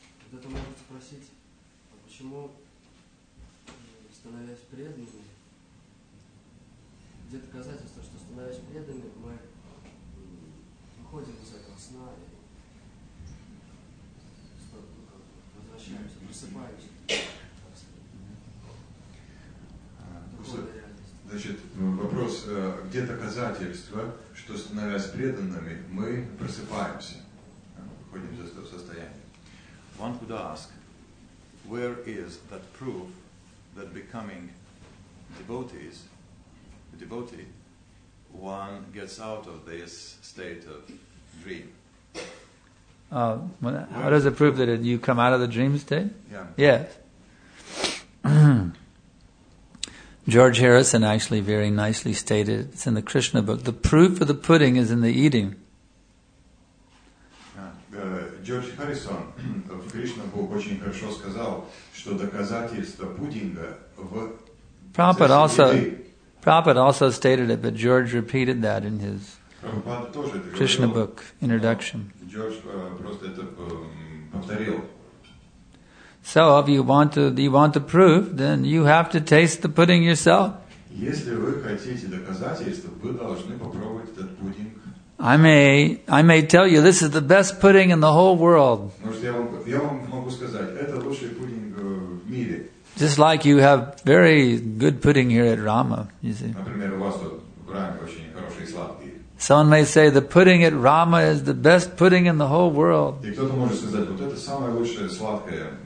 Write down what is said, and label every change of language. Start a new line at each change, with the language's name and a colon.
Russian: Вот это можно спросить, а почему, становясь преданными, где доказательство, что становясь преданными, мы выходим из этого сна и возвращаемся, просыпаемся, так сказать. Значит, вопрос, где доказательства, что становясь преданными, мы просыпаемся, выходим из этого состояния?
English: One could ask, where is that proof that becoming devotees, a devotee, one gets out of this state of dream? How does it prove that you come out of the dream state? Yeah. Yes. George Harrison actually very nicely stated, it's in the Krishna book, the proof of the pudding is in the eating.
Russian: George Harrison в Krishna book очень хорошо сказал, что доказательство пудинга в...
English: Prabhupada also stated it, but George repeated that in his Krishna book introduction.
Russian: George просто это повторил.
English: So if you want the proof, then you have to taste the pudding yourself.
Russian: Если вы хотите доказательства, вы должны попробовать этот пудинг.
English: I may tell you this is the best pudding in the whole world.
Russian: Может, я вам могу сказать, это лучший пудинг в мире.
English: Just like you have very good pudding here at Rama, you see.
Russian: Например, у вас тут в Раме очень хороший сладкий.
English: Someone may say the pudding at Rama is the best pudding in the whole world.
Russian: И кто-то может сказать, вот это самое лучшее сладкое.